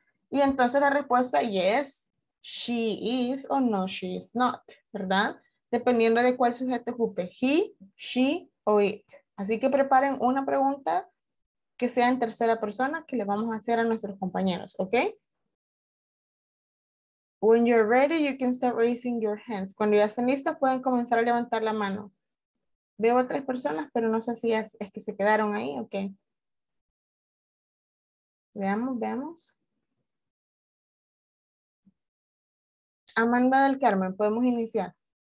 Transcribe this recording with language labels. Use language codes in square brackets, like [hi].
[es] Y entonces la respuesta, [en] yes, she is, [es] o [en] no, she is not, [es] ¿verdad? Dependiendo de cuál sujeto ocupe, he, she, o it. Así que preparen una pregunta que sea en tercera persona que le vamos a hacer a nuestros compañeros, ¿ok? [en] When you're ready, you can start raising your hands. [es] Cuando ya estén listos, pueden comenzar a levantar la mano. Veo a tres personas, pero no sé si es que se quedaron ahí, ¿ok? Veamos. Amanda del Carmen, podemos iniciar.